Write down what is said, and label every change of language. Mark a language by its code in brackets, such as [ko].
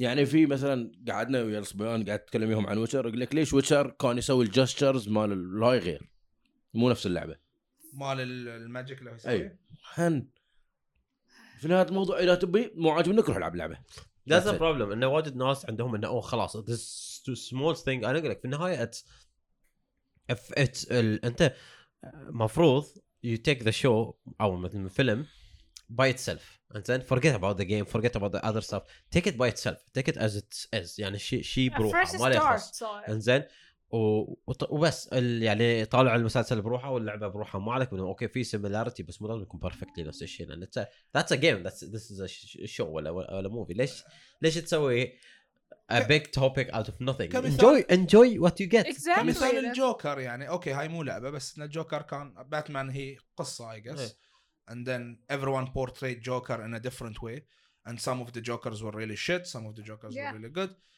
[ar] يعني في مثلا قعدنا ويا الصبيان قاعد تكلم يهم عن ويتشر يقول لك ليش ويتشر كان يسوي الجستشرز مال الهاي غير مو نفس اللعبة مال الماجيك اللي هو يسويه هن في نهاية الموضوع إذا تبي مو عاجبك روح العب لعبة [en] That's the problem [ar] انه واجد ناس عندهم انه خلاص [en] this is too small thing [ar] انا اقول لك في النهاية [en] if it's [ar] انت مفروض [en] you take the show او مثل film by itself and then forget about the game, forget about the other stuff, take it by itself, take it as it is, [ar] يعني شي بروحه ما له خص [en] and then [ar] وبس يعني طالع المسلسل بروحه واللعبه بروحها مو عليك منه. اوكي في سيميلاريتي بس مو لازم يكون بيرفكتلي نفس الشيء. [en] That's a game, this is a show [ar] ولا movie. [en] ليش تسوي a big topic out of nothing? enjoy what you get. Exactly. [ar] كمثال الجوكر يعني اوكي هاي مو لعبه بس [en] ان الجوكر كان باتمان هي قصه I guess and then everyone portrayed Joker in a different way and some of the Jokers were really shit, some of the Jokers were really good.